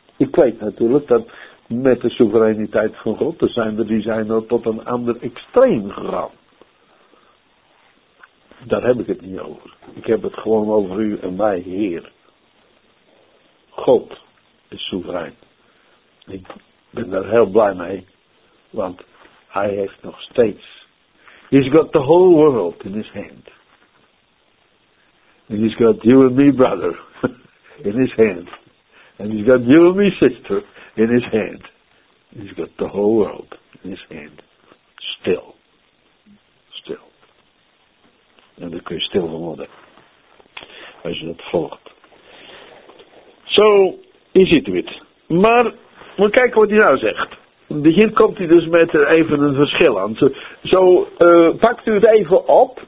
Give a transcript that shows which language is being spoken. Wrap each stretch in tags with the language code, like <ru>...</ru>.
<nl>Ik weet natuurlijk dat met de soevereiniteit van God, er zijn er die zijn al tot een ander extreem gegaan. Daar heb ik het niet over. Ik heb het gewoon over u en mij, Heer. God is soeverein. Ik ben daar heel blij mee, want hij heeft nog steeds.</nl> <en>He's got the whole world in his hand. And he's got you and me, brother, in his hand. And he's got you and me, sister, in his hand. He's got the whole world in his hand. Still. Still.</en> <nl>En dan kun je stil van worden. Als je dat volgt. Zo, hier ziet u het. Maar, we kijken wat hij nou zegt. Hier komt hij dus met even een verschil aan. Pakt u het even op.</nl>